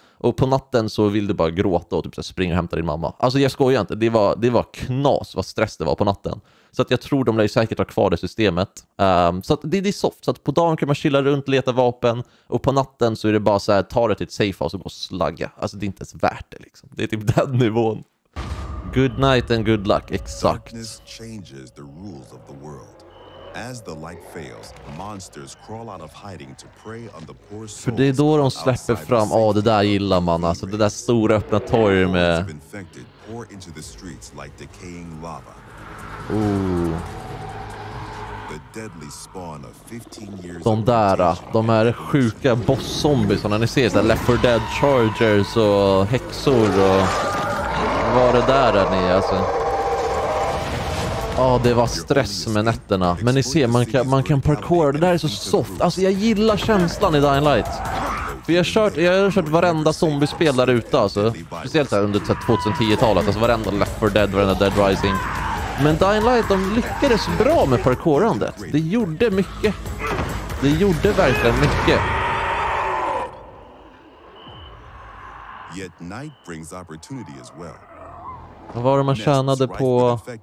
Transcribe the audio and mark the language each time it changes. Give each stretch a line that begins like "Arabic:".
Swedish: Och på natten så vill du bara gråta och typ så springa och hämta din mamma. Alltså jag skojar inte. Det var knas vad stress det var på natten. Så att jag tror de lär säkert ha kvar det systemet. Så att det är soft. Så att på dagen kan man chilla runt och leta vapen. Och på natten så är det bara så här, ta det till ett safe house och gå och slagga. Alltså det är inte ens värt det liksom. Det är typ den nivån.
English: Good night and good luck.
Swedish: Exakt.
English: Darkness changes the rules of the world. As the light fails, monsters crawl out of hiding to prey on the poor souls.
Swedish: För det är då de släpper fram, ja, det där gillar man, alltså det där stora öppna torget med.
English: Pour into the streets like decaying lava. Ooh. The deadly spawn of 15 years.
Swedish: De där, de här sjuka boss-zombiesarna ni ser där, Left 4 Dead Chargers och häxor och vad det där är ni alltså. Ja, det var stress med nätterna. Men ni ser, man kan parkour. Det där är så soft. Alltså, jag gillar känslan i Dying Light. För jag har kört varenda zombiespel där ute, alltså. Speciellt här under 2010-talet. Alltså, varenda Left 4 Dead, varenda Dead Rising. Men Dying Light, de lyckades bra med parkourandet. Det gjorde mycket. Det gjorde verkligen mycket.
English: Yet night brings opportunity as well.
Swedish: Vad var det man tjänade på?